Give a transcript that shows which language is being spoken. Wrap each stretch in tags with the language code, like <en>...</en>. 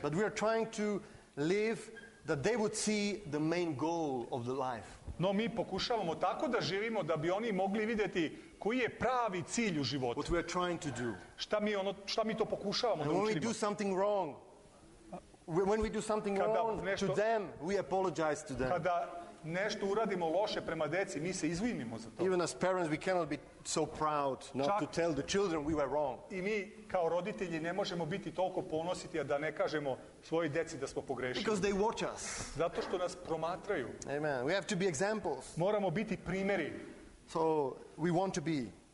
<en>But we are trying to live that they would see the main goal of the life.</en> <sr>No, mi pokušavamo tako da živimo da bi oni mogli vidjeti koji je pravi cilj u životu.</sr> <en>What we are trying to do.</en> <sr>Šta mi to pokušavamo</sr> <en>and</en> <sr>da učinimo.</sr> <en>When we do something wrong. When we do something</en> <sr>kada</sr> <en>wrong</en> <sr>nešto,</sr> <en>to them, we apologize to them.</en> <sr>Kada nešto uradimo loše prema deci, mi se izvinimo za to.</sr> <en>Even as parents, we cannot be so proud not to tell the children we were wrong.</en> <sr>I mi kao roditelji ne možemo biti toliko ponositi a da ne kažemo svojoj deci da smo pogrešili.</sr> <en>Because they watch us.</en> <sr>Zato što nas promatraju.</sr> <en>Amen. We have to be examples.</en> <sr>Moramo biti primjeri.</sr> <en>So we want to be.</en>